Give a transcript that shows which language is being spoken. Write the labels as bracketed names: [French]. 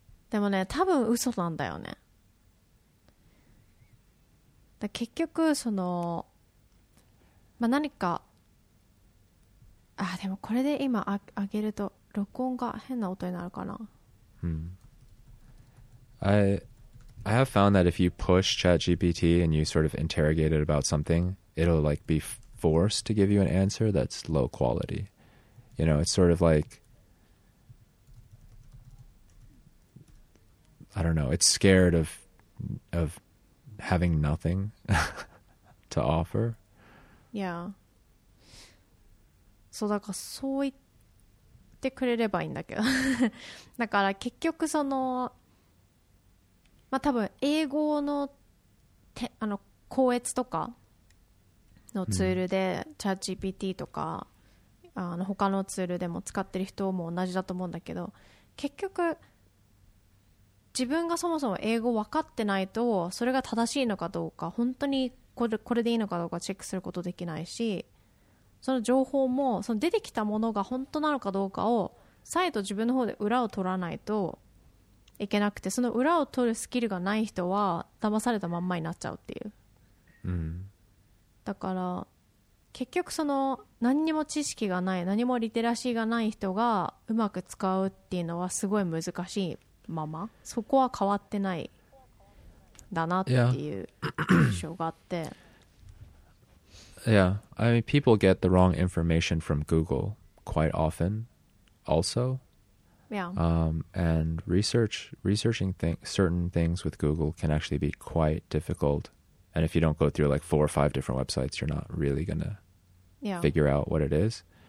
[Japanese] でもね、多分嘘なんだよね。だ結局その、まあ、何か、あ、でもこれで今あげると録音が変な音になるかな。 [English] I have found that if you push ChatGPT and you sort of interrogate it about something, it'll like be forced to give you an answer that's low quality. You know, it's sort of like, I don't know, it's scared of having nothing to offer. Yeah. [Japanese] So, だからそう言ってくれればいいんだけど。だから結局その、まあ、多分英語 あの校閲とかのツールでチャット GPT とかあの他のツールでも使ってる人も同じだと思うんだけど、結局自分がそもそも英語分かってないとそれが正しいのかどうか、本当にこれでいいのかどうかチェックすることできないし、その情報もその出てきたものが本当なのかどうかを再度自分の方で裏を取らないといけなくて、その裏を取るスキルがない人は騙されたまんまになっちゃうっていう。だから結局その何にも知識がない、何もリテラシーがない人がうまく使うっていうのはすごい難しいまま、そこは変わってないだなっていう印象があって。 [English] Yeah, I mean people get the wrong information from Google quite often also. Yeah. And researching certain things with Google can actually be quite difficult. And if you don't go through like 4 or 5 different websites, you're not really going to figure out what it is.